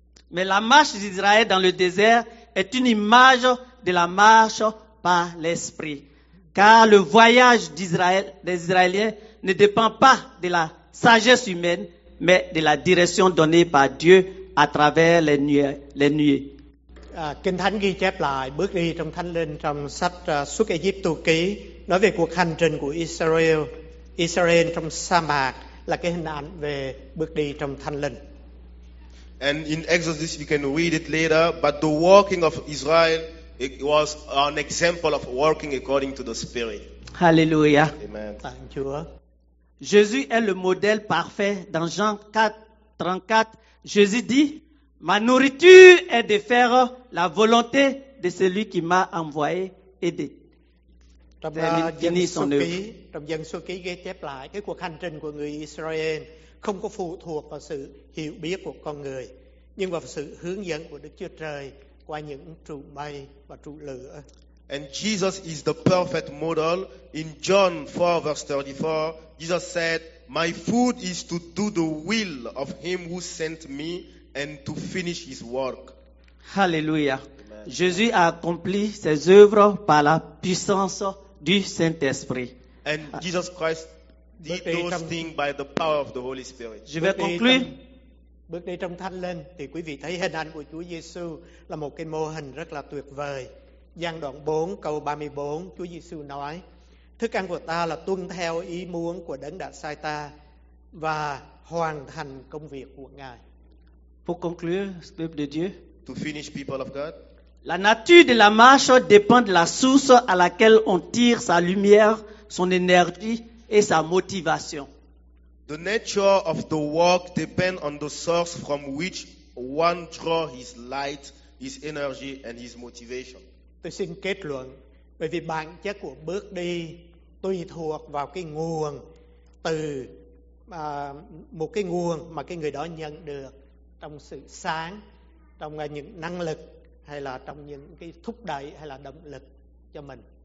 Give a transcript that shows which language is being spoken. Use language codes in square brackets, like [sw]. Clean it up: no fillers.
[fr] Mais la marche d'Israël dans le désert est une image de la marche par l'esprit. Car le voyage d'Israël, des Israéliens, ne dépend pas de la sagesse humaine, mais de la direction donnée par Dieu à travers les nuées. [vi] Kinh Thánh ghi chép lại, bước đi trong Thánh Linh, trong sách xuất Ê-díp-tô ký, nói về cuộc hành trình của Israel. Israel trong sa mạc là cái hình ảnh về bước đi trong Thánh Linh. [en] And in Exodus we can read it later, but the walking of Israel it was an example of walking according to the Spirit. Hallelujah. Amen. Thank you. [fr] Jésus est le modèle parfait. Dans Jean 4, 34, Jésus dit, ma nourriture est de faire la volonté de celui qui m'a envoyé et de [vi] trong dân số ký ghi chép lại cái cuộc hành trình của người Israel không có phụ thuộc vào sự hiểu biết của con người nhưng vào sự hướng dẫn của Đức Chúa Trời qua những trụ mây và trụ lửa. [en] And Jesus is the perfect model. In John 4, verse 34, Jesus said, "My food is to do the will of him who sent me and to finish his work." Hallelujah. [fr] Jésus a accompli ses œuvres par la puissance du Saint-Esprit. [en] And Jesus Christ did those things by the power of the Holy Spirit. [fr] Je vais conclure. [vi] Bước đi trong thánh linh thì quý vị thấy hình ảnh của Chúa Giêsu là một cái mô hình rất là tuyệt vời. Giăng đoạn 4 câu 34, Chúa Giêsu nói: "Thức ăn của ta là tuân theo ý muốn của Đấng đã sai ta và hoàn thành công việc của Ngài." [fr] Pour conclure, peuple de Dieu. [en] To finish, people of God. [fr] La nature de la marche dépend de la source à laquelle on tire sa lumière, son énergie et sa motivation. [en] The nature of the work depends on the source from which one draws his light, his energy and his motivation. [vi] Tôi xin kết luận, bởi vì bản chất của bước đi tùy thuộc vào cái nguồn từ một cái nguồn mà cái người đó nhận được trong sự sáng, trong những năng lực hay là trong những cái thúc đẩy hay là động lực cho mình.